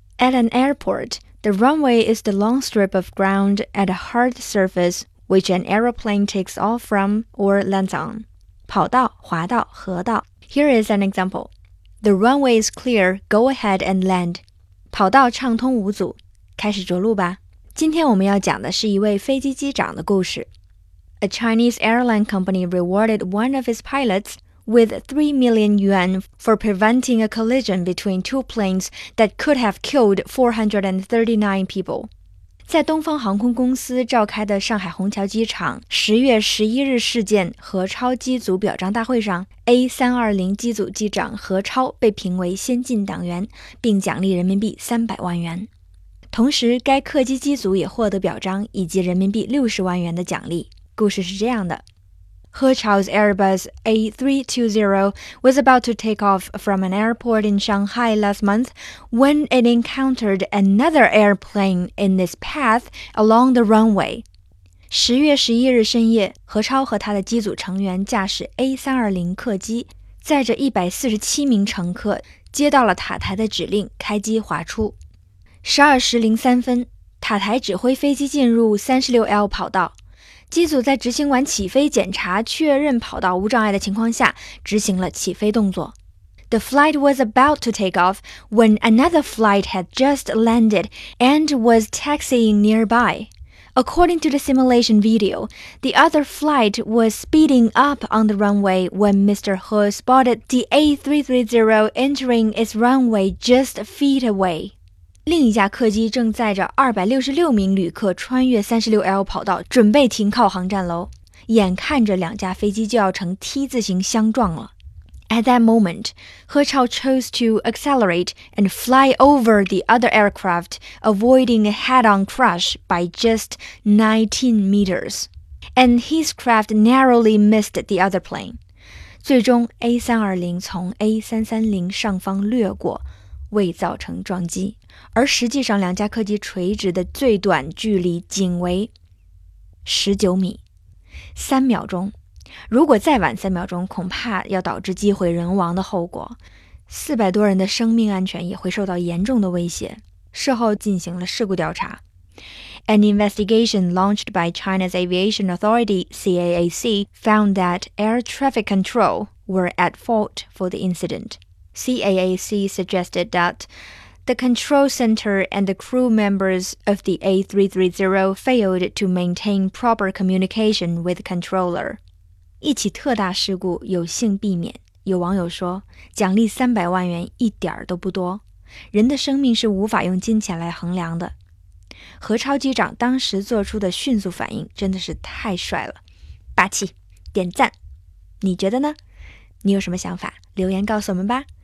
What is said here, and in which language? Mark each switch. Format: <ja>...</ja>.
<en>At an airport, the runway is the long strip of ground at a hard surface which an aeroplane takes off from or lands on.</en> <zh>跑道、滑道、河道。</zh> <en>Here is an example. The runway is clear, go ahead and land.</en> <zh>跑道畅通无阻，开始着陆吧。今天我们要讲的是一位飞机机长的故事。</zh> <en>A Chinese airline company rewarded one of its pilots with 3 million yuan for preventing a collision between two planes that could have killed 439 people.</en> <zh>在东方航空公司召开的上海虹桥机场10月11日事件和超机组表彰大会上 ,A320 机组机长何超被评为先进党员并奖励人民币300万元。同时该客机机组也获得表彰以及人民币60万元的奖励。故事是这样的。</zh> <en>He Chao's Airbus A320 was about to take off from an airport in Shanghai last month when it encountered another airplane in its path along the runway.</en> <zh>10月11日深夜，何超和他的机组成员驾驶 A320 客机，载着147名乘客，接到了塔台的指令，开机滑出。 12时03分，塔台指挥飞机进入 36L 跑道。机组在执行完起飞检查确认跑道无障碍的情况下执行了起飞动作。</zh> <en>The flight was about to take off when another flight had just landed and was taxiing nearby. According to the simulation video, the other flight was speeding up on the runway when Mr. He spotted the A330 entering its runway just feet away.</en> <zh>另一架客机正载着266名旅客穿越 36L 跑道准备停靠航站楼，眼看着两架飞机就要呈 T 字形相撞了。</zh> <en>At that moment, He Chao chose to accelerate and fly over the other aircraft, avoiding a head-on crash by just 19 meters. And his craft narrowly missed the other plane.</en> <zh>最终 A320 从 A330 上方掠过，未造成撞击，而实际上两架客机垂直的最短距离仅为19米3秒钟，如果再晚3秒钟恐怕要导致机毁人亡的后果，400多人的生命安全也会受到严重的威胁。事后进行了事故调查。</zh> <en>An investigation launched by China's Aviation Authority, CAAC, found that air traffic control were at fault for the incidentCAAC suggested that the control center and the crew members of the A330 failed to maintain proper communication with the controller.</en> <zh>一起特大事故有幸避免，有网友说，奖励300万元一点儿都不多，人的生命是无法用金钱来衡量的。何超机长当时做出的迅速反应真的是太帅了，霸气，点赞。你觉得呢？你有什么想法？留言告诉我们吧。</zh>